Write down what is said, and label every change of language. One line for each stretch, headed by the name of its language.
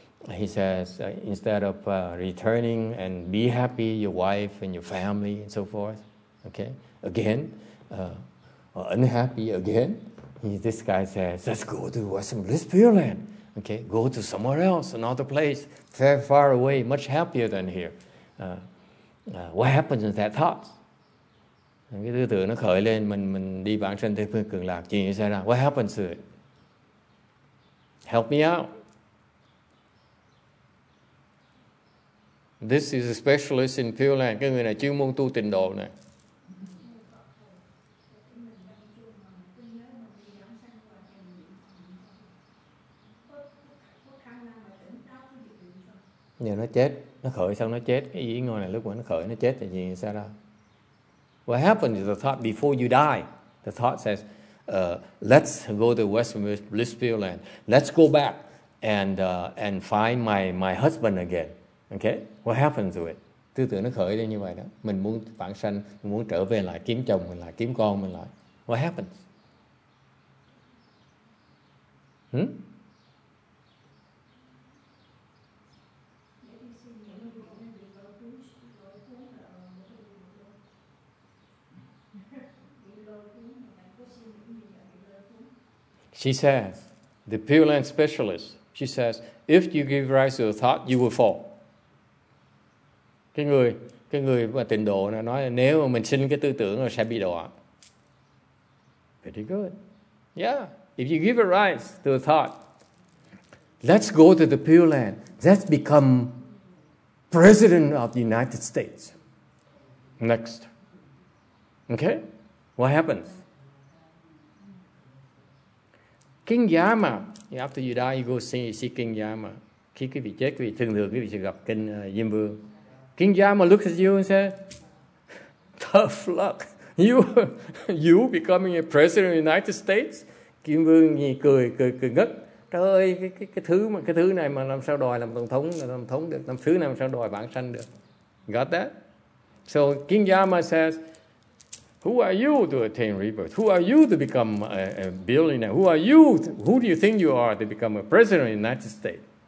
English: He says, instead of returning and be happy, your wife and your family and so forth, okay, again, or unhappy again, this guy says, let's go to Western Bliss Pure Land, okay, go to somewhere else, another place, very far away, much happier than here. What happens with that thought?
Vietnamese: Cái tư tưởng nó khởi lên, mình đi vãng sanh Tây Phương Cực Lạc, chuyện gì xảy ra?
English: What happens to it? Help me out. This is a specialist in Pure Land.
Vietnamese: Cái người này chuyên môn tu tịnh độ này. Giờ nó chết. Nó khởi xong nó chết. Cái ý ngồi này lúc mà nó khởi nó chết thì gì sao ra?
English: What happened to the thought before you die? The thought says, let's go to Western Bliss Pure Land. Let's go back and find my husband again. Okay? What happened to it?
Vietnamese: tư tưởng nó khởi lên như vậy đó, mình muốn vãng sanh, mình muốn trở về lại kiếm chồng mình lại, kiếm con mình lại.
English: What happens? She says, the Pure Land specialist, she says, if you give rise to a thought, you will fall.
Vietnamese: Cái người mà tịnh độ nói là nếu mà mình sinh cái tư tưởng là sẽ bị đọa.
English: Pretty good. Yeah, if you give a rise to a thought, let's go to the Pure Land. Let's become president of the United States. Next. Okay? What happens? King Yama, after you die, you go see King Yama.
Vietnamese: Khi quý vị chết, quý vị thường thường, quý vị sẽ gặp King Diêm Vương.
English: King Yama looks at you and says, tough luck. You becoming a president of the United States?
Vietnamese: Diêm Vương cười ngất. Trời ơi, cái thứ này mà làm sao đòi làm tổng thống được, làm thứ này làm sao đòi vãng sanh được.
English: Got that? So King Yama says, who are you to attain rebirth? Who are you to become a billionaire? Who are you? Who do you think you are to become a president of the United States?